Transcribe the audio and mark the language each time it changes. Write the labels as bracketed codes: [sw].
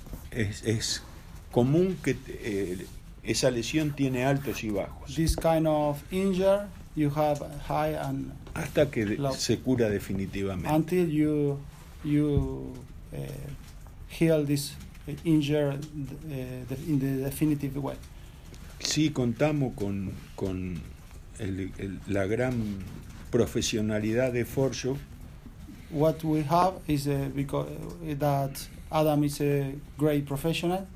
[es] Es común que esa lesión tiene altos y bajos. [en] This kind of injury, you have high and [es] hasta que [en] low. [es] Se cura definitivamente. [en] Until you heal this injury in the definitive way. [es] Sí, contamos con la gran profesionalidad de Forshaw. [en] What we have is because that Adam is a great professional.